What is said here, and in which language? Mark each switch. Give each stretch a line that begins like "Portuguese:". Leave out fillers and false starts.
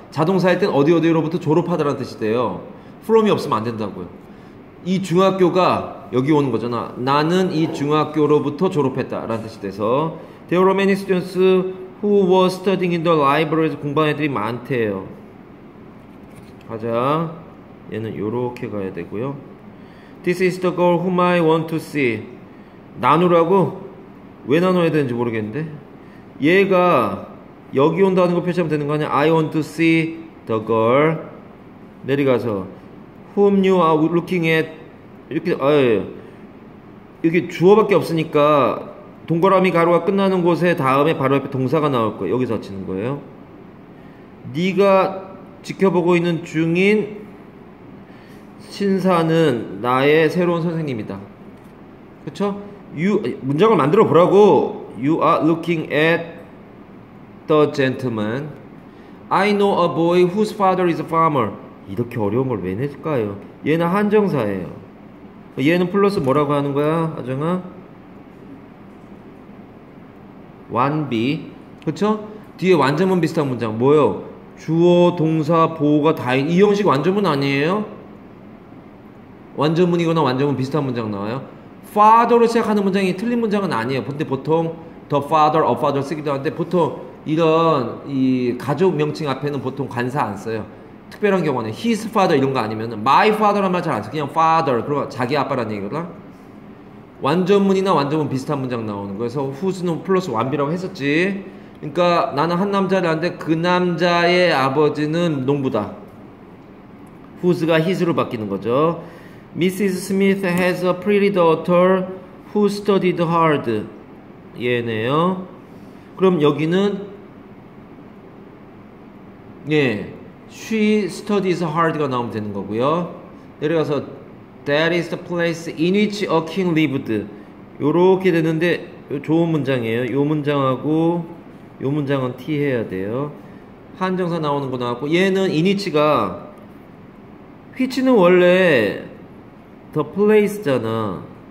Korean: 자동사일 땐 어디 어디로부터 졸업하다라는 뜻이 돼요. from이 없으면 안 된다고요. 이 중학교가 여기 오는 거잖아. 나는 이 중학교로부터 졸업했다 라는 뜻이 돼서
English: There were many students who were studying in the library
Korean: 에서 공부하는 애들이 많대요. 가자. 얘는 요렇게 가야 되고요.
English: This is the girl whom I want to see.
Korean: 나누라고? 왜 나눠야 되는지 모르겠는데 얘가 여기 온다는 거 표시하면 되는 거 아니야?
English: I want to see the girl.
Korean: 내려가서
English: whom you are looking at.
Korean: 이렇게 이게 주어밖에 없으니까 동그라미 가로가 끝나는 곳에 다음에 바로 옆에 동사가 나올 거예요. 여기서 치는 거예요. 네가 지켜보고 있는 중인 신사는 나의 새로운 선생님이다. 그렇죠? 문장을 만들어 보라고.
English: You are looking at the gentleman. I know a boy whose father is a farmer.
Korean: 이렇게 어려운 걸 왜 낼까요? 얘는 한정사예요. 얘는 플러스 뭐라고 하는 거야, 아정아? 완비. 그렇죠? 뒤에 완전문 비슷한 문장. 뭐요? 주어, 동사, 보호가 다 이 형식 완전문 아니에요? 완전문이거나 완전문 비슷한 문장 나와요. father로 시작하는 문장이 틀린 문장은 아니에요. 근데 보통 the father, a father 쓰기도 하는데 보통 이런 이 가족 명칭 앞에는 보통 관사 안 써요. 특별한 경우는 his father 이런 거 아니면 my father란 말 잘 안 써요. 그냥 father, 그러면 자기 아빠라는 얘기거든. 완전문이나 완전문 비슷한 문장 나오는 거예요. 그래서 who's는 플러스 완비라고 했었지. 그러니까 나는 한 남자를 아는데 그 남자의 아버지는 농부다. who's가 his로 바뀌는 거죠. Mrs.
English: Smith has a pretty daughter who studied hard.
Korean: 얘네요. 그럼 여기는 예,
English: she studies hard
Korean: 가 나오면 되는 거고요. 내려가서
English: that is the place in which a king lived.
Korean: 요렇게 되는데 좋은 문장이에요. 요 문장하고 요 문장은 T 해야 돼요. 한정사 나오는 거 나왔고 얘는 in which가 which는 원래 The place잖아.